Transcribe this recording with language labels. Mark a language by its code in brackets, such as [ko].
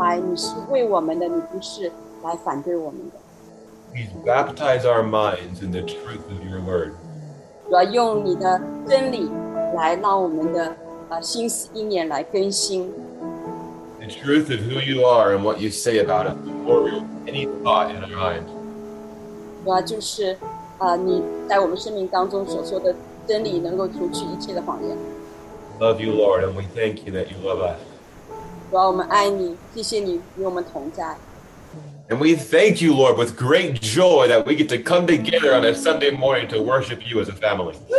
[zh] 主啊，我们再一次来明白你是为我们的，你不是来反对我们的。 [en] Please baptize our minds in the truth of your word. [zh] 主啊，用你的真理来让我们的心思意念来更新。 [en] The truth of who you are and what you say about us before we have any thought in our mind. [zh] 主啊，就是你在我们生命当中所说的。 [en] Love you, Lord, and we thank you that you love us. [zh] 主啊，我们爱你，谢谢你与我们同在。 [en] And we thank you, Lord, with great joy that we get to come together on a Sunday morning to worship you as a family.